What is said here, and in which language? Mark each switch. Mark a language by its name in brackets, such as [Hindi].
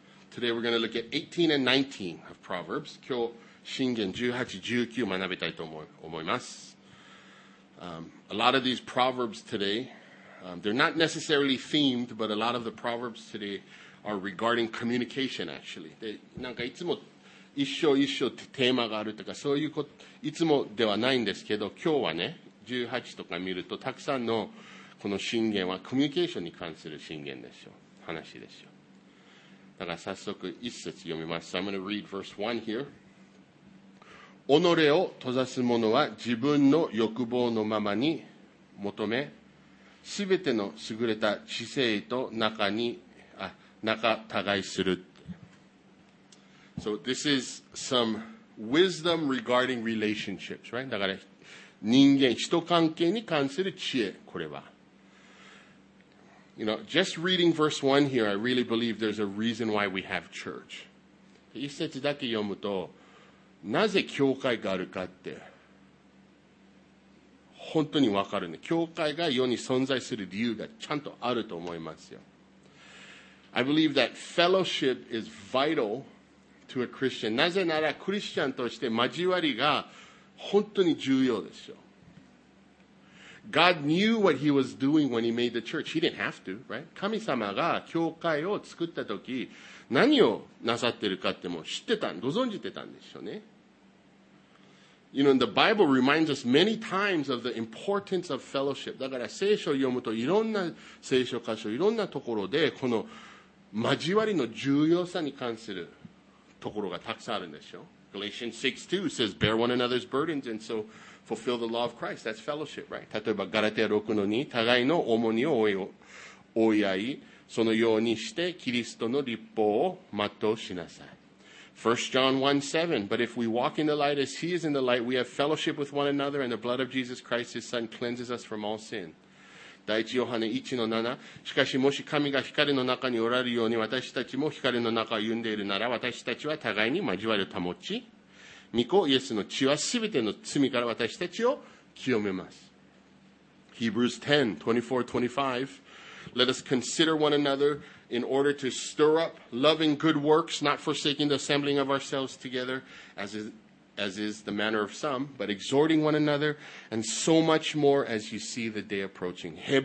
[English] Today we're going to look at 18 and 19 of Proverbs. [Japanese] 今日、箴言18、19を学びたいと思います。 [English] A lot of these Proverbs today, they're not necessarily themed, but a lot of the Proverbs today are regarding communication, actually. [Japanese] で、なんかいつも一章一章ってテーマがあるとか、そういうこと、いつもではないんですけど、今日はね、18とか見ると、たくさんのこの箴言はコミュニケーションに関する箴言でしょう。話でしょう。だから早速一節読みます。 [English] I'm going to read verse 1 here. [Japanese] 己を閉ざす者は自分の欲望のままに求め、すべての優れた知性と仲互いする。 [English] So this is some wisdom regarding relationships, right? [Japanese] だから人間、人関係に関する知恵、これは。 [English] You know, just reading verse 1 here, I really believe there's a reason why we have church. [Japanese] 一節だけ読むと、なぜ教会があるかって、本当にわかるね。教会が世に存在する理由がちゃんとあると思いますよ。 [English] I believe that fellowship is vital to a Christian. [Japanese] なぜならクリスチャンとして交わりが本当に重要ですよ。 [English] God knew what he was doing when he made the church. He didn't have to, right? [Japanese] 神様が教会を作ったとき、何をなさってるかっても知ってたん、ご存じてたんでしょうね。 [English] You know, the Bible reminds us many times of the importance of fellowship. [Japanese] だから聖書を読むといろんな聖書箇所、いろんなところでこの交わりの重要さに関するところがたくさんあるんでしょう。 [English] Galatians 6:2 says, bear one another's burdens and so fulfill the law of Christ. That's fellowship, right? [Japanese] 例えばガラテア 6-2 互いの重荷を追い合い、そのようにしてキリストの律法を全うしなさい。 [English] 1 John 1:7 But if we walk in the light as he is in the light, we have fellowship with one another and the blood of Jesus Christ, his son, cleanses us from all sin. [Japanese] 第1ヨハネ 1-7 しかしもし神が光の中におられるように私たちも光の中を歩んでいるなら私たちは互いに交わりを保ち、御子イエスの血はすべての罪から私たちを清めます。 [English] Hebrews 10:24-25 Let us consider one another in order to stir up loving good works, not forsaking the assembling of ourselves together, as is the manner of some, but exhorting one another, and so much more as you see the day approaching.